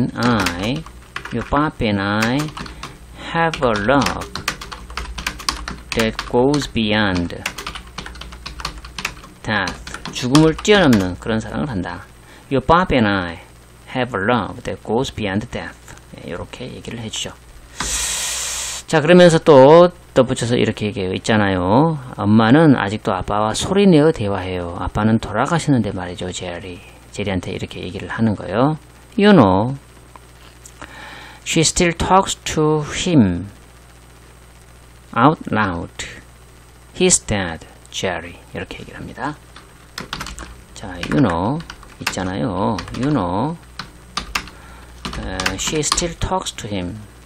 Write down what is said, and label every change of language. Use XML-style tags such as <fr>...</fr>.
<en>Your papi and I have a love that goes beyond death.</en> <ko>죽음을 뛰어넘는 그런 사랑을 한다.</ko> <en>Your papi and I have a love that goes beyond death.</en> <ko>이렇게 얘기를 해주죠. 자, 그러면서 또 덧붙여서 이렇게 얘기해요. 있잖아요. 엄마는 아직도 아빠와 소리 내어 대화해요. 아빠는 돌아가셨는데 말이죠. 제리. 제리한테 이렇게 얘기를 하는 거예요.</ko> <en>You know, she still talks to him out loud. He's dead, Jerry.</en> <ko>이렇게 얘기를 합니다. 자,</ko> <en>you know,</en> <ko>있잖아요.</ko> <en>You know, she still talks to him.</en>